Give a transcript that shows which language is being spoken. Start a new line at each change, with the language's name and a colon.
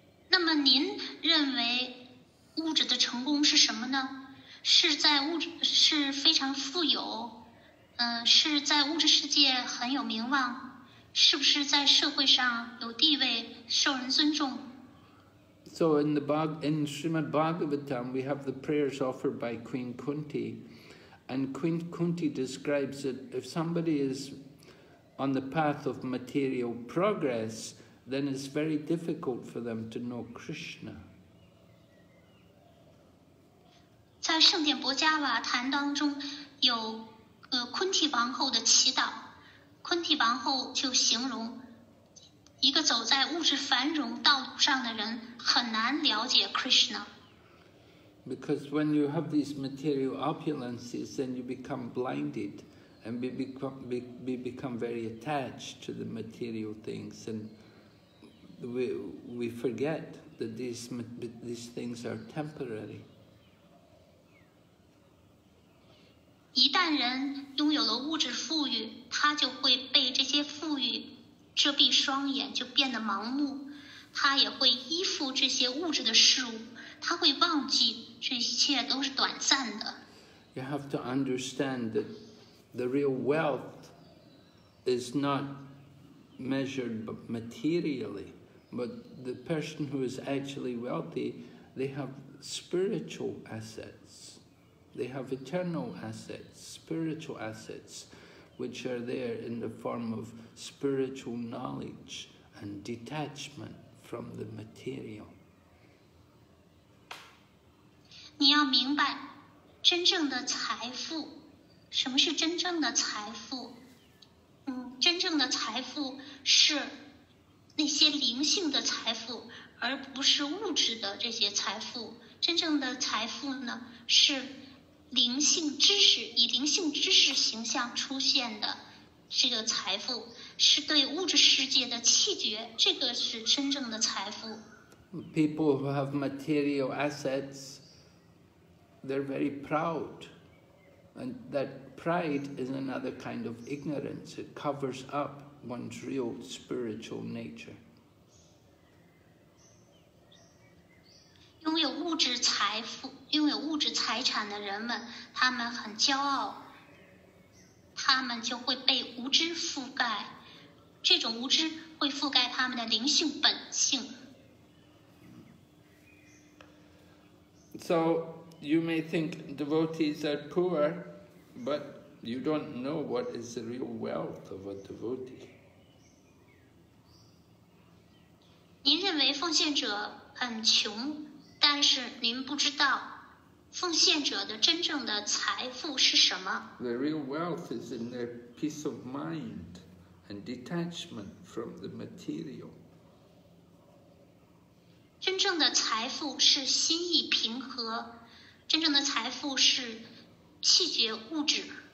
Chinese: 那么您认为物质的成功是什么呢？是在物质是非常富有，是在物质世界很有名望，是不是在社会上有地位，受人尊重？
English: So in the in Srimad Bhagavatam, we have the prayers offered by Queen Kunti, and Queen Kunti describes that if somebody is on the path of material progress, then it's very difficult for them to know Krishna.
Chinese: 在圣典薄伽瓦坛当中有昆提王后的祈祷，昆提王后就形容一个走在物质繁荣道路上的人很难了解 Krishna.
English: Because when you have these material opulences, then you become blinded and we become very attached to the material things, and we forget that these things are temporary.
Chinese: 一旦人拥有了物质富裕，他就会被这些富裕遮蔽双眼，就变得盲目，他也会依附这些物质的事物，他会忘记这一切都是短暂的。
English: You have to understand that the real wealth is not measured materially, but the person who is actually wealthy, they have spiritual assets. They have eternal assets, spiritual assets, which are there in the form of spiritual knowledge and detachment from the material.
Chinese: 你要明白，真正的财富，什么是真正的财富？真正的财富是那些灵性的财富，而不是物质的这些财富。真正的财富呢，是灵性知识，以灵性知识形象出现的这个财富，是对物质世界的弃绝，这个是真正的财富。
English: People who have material assets, they're very proud, and that pride is another kind of ignorance. It covers up one's real spiritual nature.
Chinese: 拥有物质财富，拥有物质财产的人们，他们很骄傲，他们就会被无知覆盖，这种无知会覆盖他们的灵性本性。
English: So you may think devotees are poor, but you don't know what is the real wealth of a devotee.
Chinese: 您认为奉献者很穷，但是您不知道奉献者的真正的财富是什么。
English: The real wealth is in their peace of mind and detachment from the material.
Chinese: 真正的财富是心意平和，真正的财富是弃绝物质。